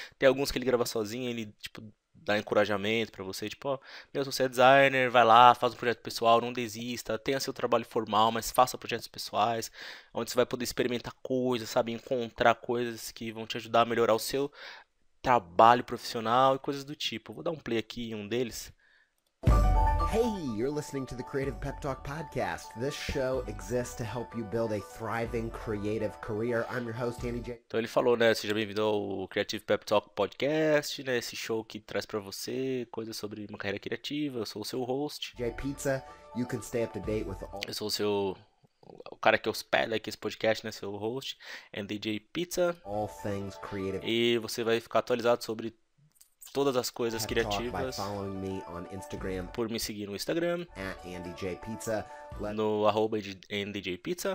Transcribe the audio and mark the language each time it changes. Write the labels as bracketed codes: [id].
[pt] Tem alguns que ele grava sozinho, ele tipo dá encorajamento para você, tipo, ó, meu, se você é designer, vai lá, faz um projeto pessoal, não desista, tenha seu trabalho formal, mas faça projetos pessoais, onde você vai poder experimentar coisas, sabe, encontrar coisas que vão te ajudar a melhorar o seu trabalho profissional e coisas do tipo. Vou dar um play aqui em um deles. [en] Hey, you're listening to the Creative Pep Talk podcast. This show exists to help you build a thriving creative career. I'm your host, Andy J. [pt] Então ele falou, né? Seja bem-vindo ao Creative Pep Talk Podcast, né? Esse show que traz para você coisas sobre uma carreira criativa. Eu sou o seu host. [en] J Pizza, you can stay up to date with all. [pt] Eu sou o cara que hospeda aqui esse podcast, né? Seu host, NDJ Pizza. [en] All things creative. [pt] E você vai ficar atualizado sobre todas as coisas [en] Pep Talk by [pt] criativas [en] following me on Instagram [pt] por me seguir no Instagram, [en] @AndyJPizza. [pt] no arroba de NDJ Pizza.